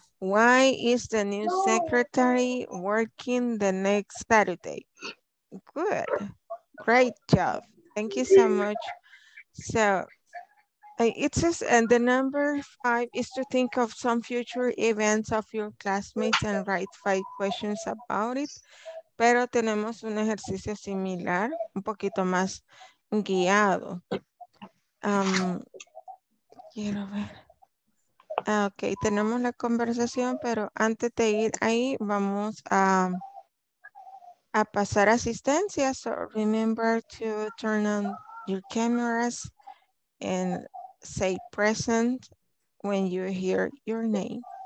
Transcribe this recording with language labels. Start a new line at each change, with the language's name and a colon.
English: Why is the new secretary working the next Saturday? Good. Great job. Thank you so much. So it says, and the number five is to think of some future events of your classmates and write five questions about it.
Spanish: Pero tenemos un ejercicio similar, un poquito más guiado. Quiero ver. Ok, tenemos la conversación, pero antes de ir ahí, vamos a pasar asistencia.
English: So remember to turn on your cameras and say present when you hear your name.